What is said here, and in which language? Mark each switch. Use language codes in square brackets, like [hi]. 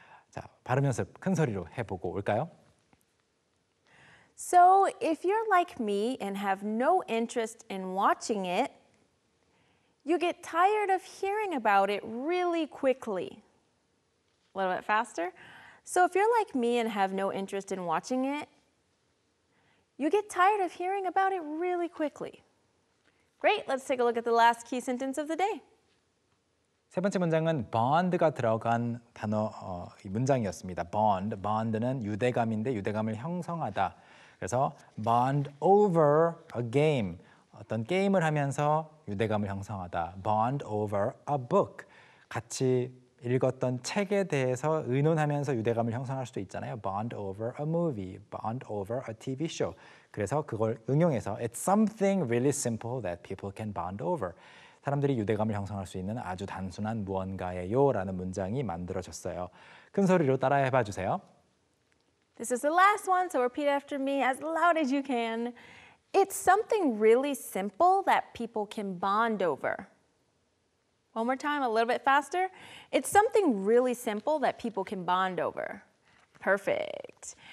[ko] 자, 발음 연습 큰 소리로 해 보고 올까요? [en] So if you're like me and have no interest in watching it, you get tired of hearing about it really quickly. A little bit faster. So if you're like me and have no interest in watching it, you get tired of hearing about it really quickly. Great, let's take a look at the last key sentence of the day. [ko] 세 번째 문장은 bond가 들어간 단어 문장이었습니다. Bond, bond는 유대감인데 유대감을 형성하다. 그래서 [en] bond over a game, [ko] 어떤 게임을 하면서 유대감을 형성하다. [en] Bond over a book, [ko] 같이 읽었던 책에 대해서 의논하면서 유대감을 형성할 수도 있잖아요. [en] Bond over a movie, bond over a TV show. [ko] 그래서 그걸 응용해서 [en] It's something really simple that people can bond over. [ko] 사람들이 유대감을 형성할 수 있는 아주 단순한 무언가예요 라는 문장이 만들어졌어요. 큰 소리로 따라해 봐주세요. [en] This is the last one, so repeat after me as loud as you can. It's something really simple that people can bond over. One more time, a little bit faster. It's something really simple that people can bond over. Perfect.